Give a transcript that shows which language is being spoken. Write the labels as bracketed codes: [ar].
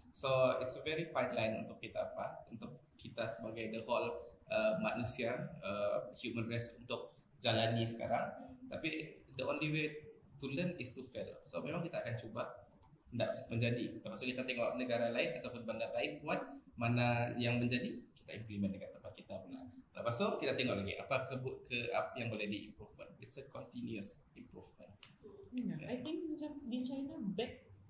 [en] So it's a very fine line [ms] untuk kita untuk kita sebagai [en] the whole manusia, human race [ms] untuk jalani sekarang. [en] Tapi the only way to learn is to fail. [ms] So memang kita akan cuba, tidak menjadi. Maksud kita tengok negara lain ataupun bandar lain buat, mana yang menjadi, kita implement dekat tempat kita pula. Lepas tu kita tengok lagi apa apa yang boleh di improvement. [en] It's a continuous improvement. Yeah, yeah. I think macam di China, back.